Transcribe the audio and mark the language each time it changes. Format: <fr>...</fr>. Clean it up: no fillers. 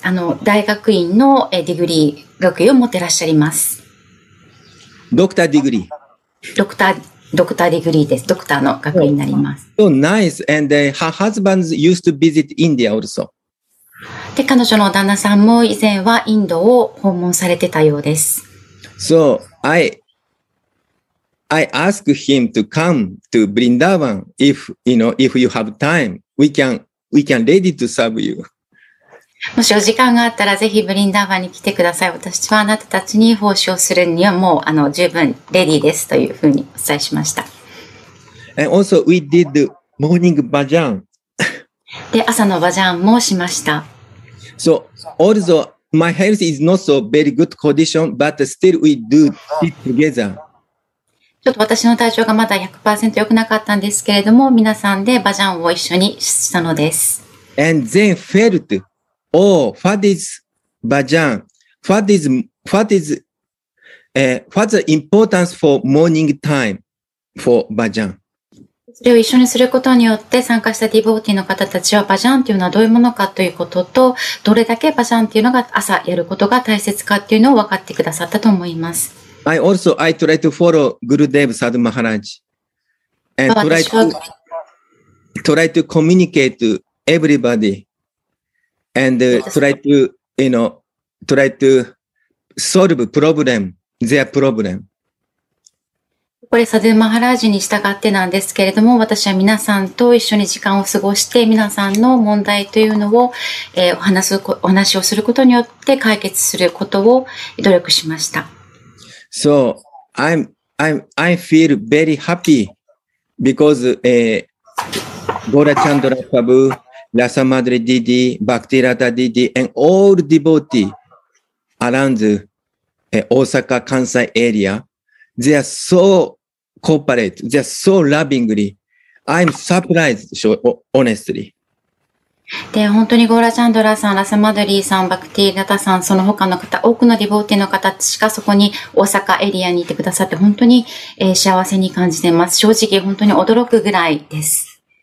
<ja>あの大学院のディグリー、学位を持ってらっしゃいます。ドクターディグリー。ドクターディグリーです。ドクターの学位になります。</ja> <en>So nice, and her husband used to visit India also.</en> <ja>で彼女の旦那さんも以前はインドを訪問されてたようです。</ja> <en>So I ask him to come to Vrindavan if you have time, we can ready to serve you.</en> <ja>もしお時間があったらぜひブリンダーバンに来てください。私はあなたたちに奉仕をするにはもう十分レディーですというふうにお伝えしました。</ja> <en>And also we did morning bhajan.</en> <ja>で朝のバジャンもしました。</ja> <en>So, although my health is not so very good condition, but still we do it together.</en> <ja>ちょっと私の体調がまだ 100% 良くなかったんですけれども、皆さんでバジャンを一緒にしたのです。</ja> <en>And then felt, oh, what is bhajan? What's the importance for morning time for bhajan?</en> <ja>それを一緒にすることによって参加したディボーティーの方たちはバジャンというのはどういうものかということとどれだけバジャンというのが朝やることが大切かというのを分かってくださったと思います。</ja> <en>I try to follow Gurudev Sadhu Maharaj and try to communicate to everybody and try to solve problem their problem</en> <ja>これサドゥマハラージに従ってなんですけれども、私は皆さんと一緒に時間を過ごして、皆さんの問題というのを、お話をすることによって解決することを努力しました。</ja> <en>So, I feel very happy because, Gora Chandra Prabhu, Rasa Madre Didi, Bhakti Radha Didi, and all devotees around, Osaka, Kansai area, they are soCooperate just so lovingly. I'm surprised, honestly.</en> <ja>で本当にゴーラチャンドラさん、ラサマドリーさん、バクティラタさん、その他の方、多くのディボーティの方しかそこに大阪エリアにいてくださって本当に、幸せに感じています。正直本当に驚くぐらいです。</ja>